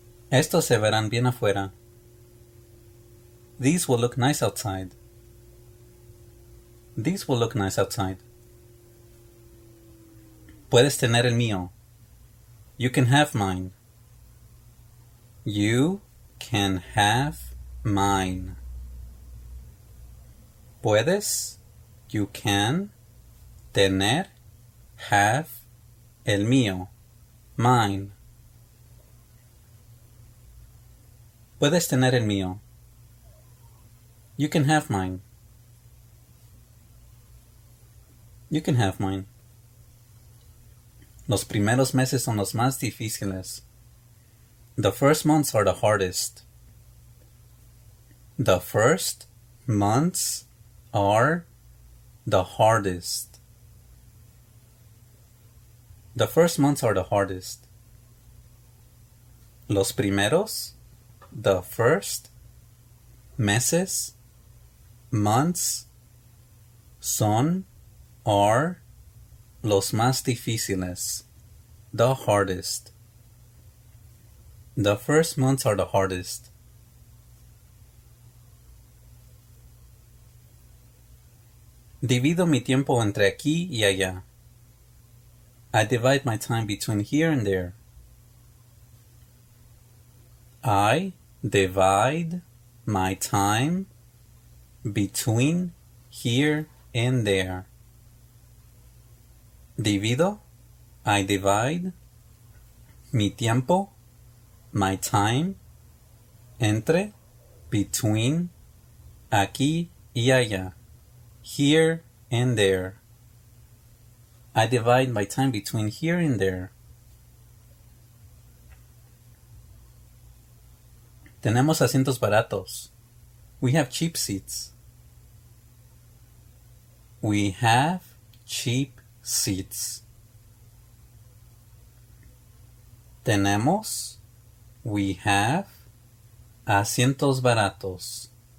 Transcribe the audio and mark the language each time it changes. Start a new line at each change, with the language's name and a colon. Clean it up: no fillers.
Spanish: Estos se verán bien afuera.
English: These will look nice outside. These will look nice outside.
Spanish: Puedes tener el mío.
English: You can have mine. You can have mine.
Spanish: Puedes,
English: you can,
Spanish: tener,
English: have,
Spanish: el mío,
English: mine.
Spanish: Puedes tener el mío.
English: You can have mine. You can have mine.
Spanish: Los primeros meses son los más difíciles.
English: The first months are the hardest. The first months are the hardest. The first months are the hardest.
Spanish: Los primeros,
English: the first,
Spanish: meses,
English: months,
Spanish: son,
English: are,
Spanish: los más difíciles,
English: the hardest. The first months are the hardest.
Spanish: Divido mi tiempo entre aquí y allá.
English: I divide my time between here and there. I divide my time between here and there.
Spanish: Divido,
English: I divide,
Spanish: mi tiempo,
English: my time,
Spanish: entre,
English: between,
Spanish: aquí y allá.
English: Here and there. I divide my time between here and there.
Spanish: Tenemos asientos baratos.
English: We have cheap seats. We have cheap seats.
Spanish: Tenemos,
English: we have,
Spanish: asientos baratos.